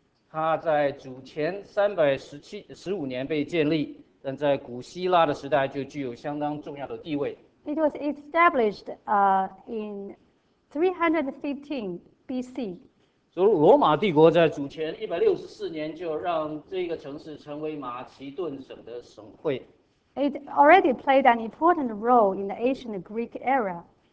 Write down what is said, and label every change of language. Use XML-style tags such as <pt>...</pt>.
<zh>它在主前315年被建立，但在古希腊的时代就具有相当重要的地位。</zh> <en>It was established in 315 BC.</en> <zh>所以罗马帝国在主前164年就让这个城市成为马其顿省的省会。</zh> <en>It already played an important role in the ancient Greek era.</en>